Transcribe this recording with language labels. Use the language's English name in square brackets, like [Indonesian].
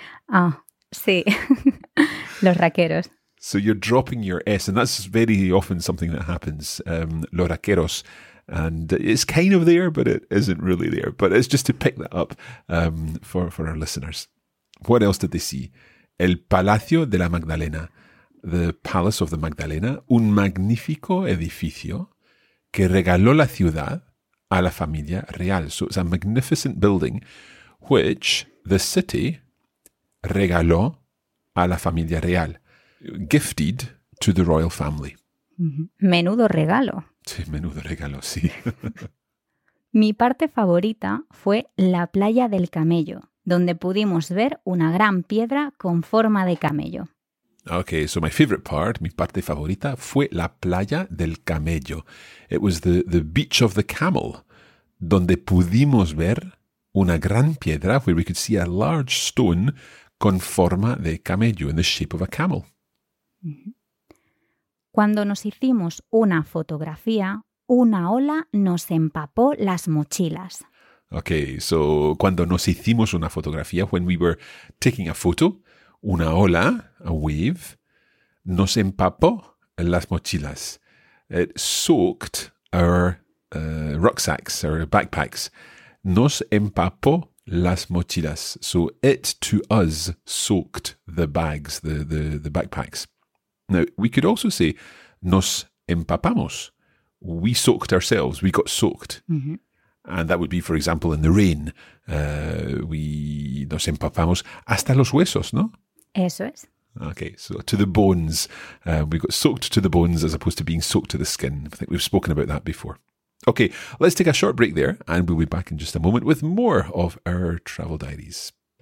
[Spanish] Ah, oh, sí, los raqueros. [English] So you're dropping your S, and that's very often something that happens, los raqueros. And it's kind of there, but it isn't really there. But it's just to pick that up for our listeners. What else did they see? [Spanish] El Palacio de la Magdalena. [English] The Palace of the Magdalena. [Spanish] Un magnífico edificio que regaló la ciudad a la familia real. [English] So it's a magnificent building which the city [Spanish] regaló a la familia real. [English] Gifted to the royal family. [Spanish] Menudo regalo. Sí, menudo regalo, sí. Mi parte favorita fue la playa del camello, donde pudimos ver una gran piedra con forma de camello. [English] Okay, so my favorite part, [Spanish] mi parte favorita, fue la playa del camello. [English] It was the beach of the camel, [Spanish] donde pudimos ver una gran piedra, [English] where we could see a large stone, [Spanish] con forma de camello, [English] in the shape of a camel. Mm-hmm. [Spanish] Cuando nos hicimos una fotografía, una ola nos empapó las mochilas. Okay, so cuando nos hicimos una fotografía, [English] when we were taking a photo, [Spanish] una ola, [English] a wave, [Spanish] nos empapó las mochilas. [English] It soaked our rucksacks, our backpacks. [Spanish] Nos empapó las mochilas. [English] So it to us soaked the bags, the backpacks. Now, we could also say, [Spanish] nos empapamos. [English] We soaked ourselves. We got soaked. Mm-hmm. And that would be, for example, in the rain. [Spanish] We nos empapamos hasta los huesos, ¿no? Eso es. [English] Okay, so to the bones. We got soaked to the bones as opposed to being soaked to the skin. I think we've spoken about that before. Okay, let's take a short break there, and we'll be back in just a moment with more of our travel diaries.